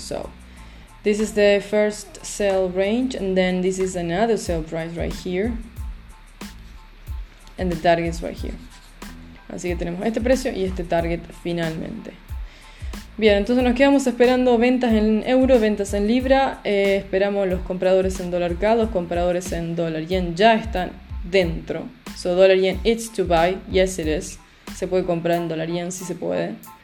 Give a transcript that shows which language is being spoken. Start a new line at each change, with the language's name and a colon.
English: So this is the first sell range, and then this is another sell price right here, and the target is right here.
Spanish: Así que tenemos este precio y este target finalmente. Bien, entonces nos quedamos esperando ventas en euro, ventas en libra. Esperamos los compradores en dólar CAD, los compradores en dólar yen ya están dentro.
English: So dólar yen, it's to buy, yes it is.
Spanish: Se puede comprar en dólar yen, si se puede.